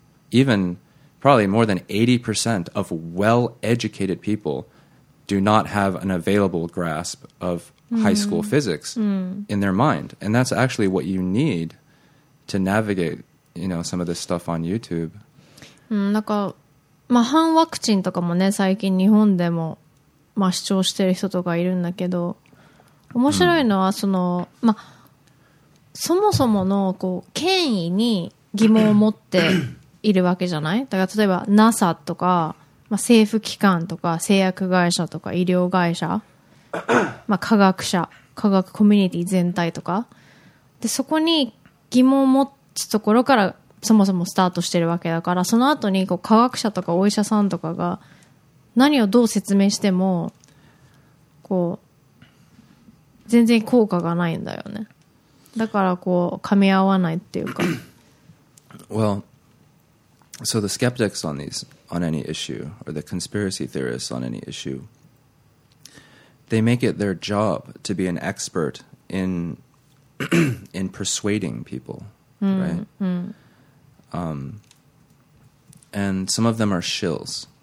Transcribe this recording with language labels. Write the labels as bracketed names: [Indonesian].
[English] even probably more than 80% of well-educated people do not have an available grasp of high school physics in their mind. And that's actually what you need to navigate, you know, some of this stuff on YouTube. [Japanese] なんか、まあ、反ワクチンとかもね、最近日本でも、まあ、主張してる人とかいるんだけど、面白いのはその、まあ、そもそものこう権威に疑問を持っているわけじゃない。だから例えば NASA とか、まあ、政府機関とか製薬会社とか医療会社、まあ、科学者、科学コミュニティ全体とかで、そこに疑問を持つところからそもそもスタートしてるわけだから、その後にこう科学者とかお医者さんとかが何をどう説明してもこう全然効果がないんだよね。だからこう噛み合わないっていうか。 [English] WellSo the skeptics on these, on any issue, or the conspiracy theorists on any issue, they make it their job to be an expert in, in persuading people, right? Mm. And some of them are shills.